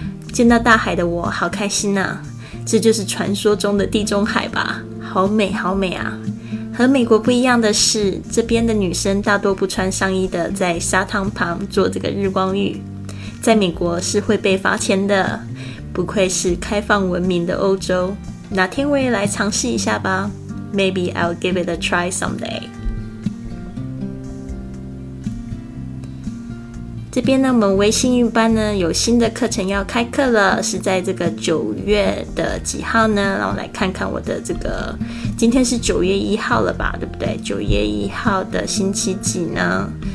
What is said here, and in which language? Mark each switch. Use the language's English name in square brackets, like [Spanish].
[Chinese] 见到大海的我好开心啊，这就是传说中的地中海吧，好美好美啊。和美国不一样的是，这边的女生大多不穿上衣的，在沙滩旁做这个日光浴，在美国是会被罚钱的，不愧是开放文明的欧洲。哪天我也来尝试一下吧， [English] Maybe I'll give it a try someday. [Chinese] 这边呢，我们微信预班呢有新的课程要开课了，是在这个9月的几号呢？让我来看看我的这个，今天是9月1号了吧，对不对？ 9月1号的星期几呢？